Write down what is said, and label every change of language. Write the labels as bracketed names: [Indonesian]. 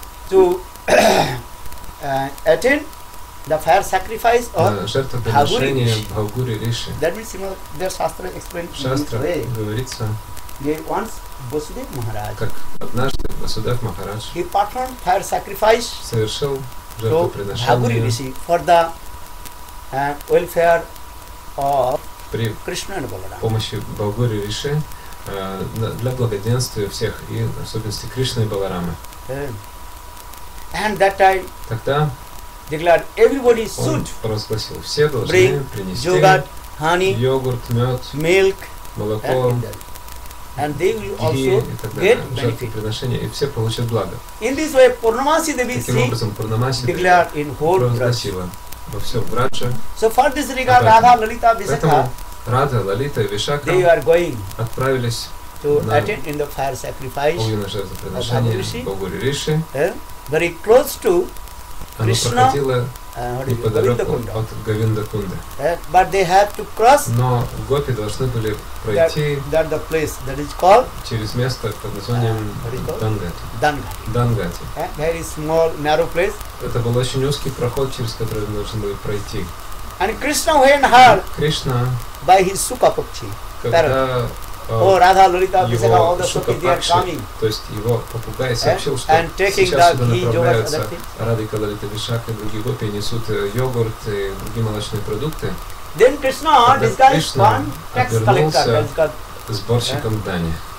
[English] to attend the fire sacrifice of Bhaguri Rishi. That means their Shastra explained Shastra in this way. Once Vasudev Maharaj, [Russian] как однажды Vasudev Maharaj, [English] he performed fire sacrifice, [Russian] совершил жертвоприношение [English] Bhaguri Rishi for the welfare of Krishna and Balaram. [Russian] Помощи Bhaguri Rishi для благоденствия всех и в особенности Кришны и Баларамы. [English] And that time, [Russian] тогда [English] declared, everybody should [Russian] он провозгласил, все должны принести [English] yogurt, honey, [Russian] йогурт, мед, [English] milk, [Russian] молоко, [English] and they will also get benefit. [Russian] И все получат благо. [English] In this way, Purnamasi Devi declared in whole [Russian] провозгласила во всем Враджа. [English] So for this regard, Radha, Lalita, Visakha, [Russian] Радха, Лалита и Вишакха отправились на огненное жертвоприношение Бхагури Риши. [English] Very close to Krishna, [Russian] оно проходило неподалеку от Говинда Кунда. [English] But they have to cross, [Russian] но гопи должны были пройти [English] that place, that is called, [Russian] через место под названием [English] Дангати. Very small, narrow place. [Russian] Это был очень узкий проход, через который они должны были пройти. [English] And Krishna went hard. Krishna, by his Sukha Pakshi, parrot. Oh, Radha, Lalita, Visakha, all the Sukhi, they are coming. [Russian] То есть его попугай сообщил, что [English] and taking [Russian] сейчас сюда направляются Радика, Лалита, Вишакха и другие гопи, несут йогурт и другие молочные продукты. [English] Then Krishna, [Russian] тогда [English] this guy is one tax collector, [Russian] сборщиком дани.